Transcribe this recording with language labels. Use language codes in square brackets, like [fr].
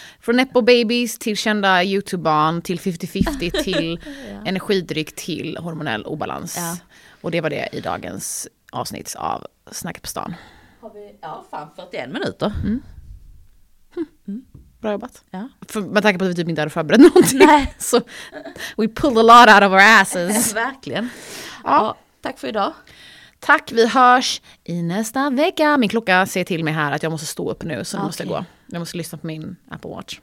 [sv] Från Nepo Babies till kända YouTube-barn, till 50-50, till ja. Energidryck, till hormonell obalans. Ja. Och det var det i dagens avsnitt av Snacket på stan. Har vi, ja, fan, 41 minuter. Mm. Mm. Bra jobbat. Ja. För, med tanke på att vi typ inte hade förberett någonting. Nej. [en] Så, we pull a lot out of our asses. [sv] Verkligen. Ja. Ja, tack för idag. Tack, vi hörs i nästa vecka. Min klocka ser till mig här att jag måste stå upp nu. Så nu måste jag gå. Jag måste lyssna på min Apple Watch.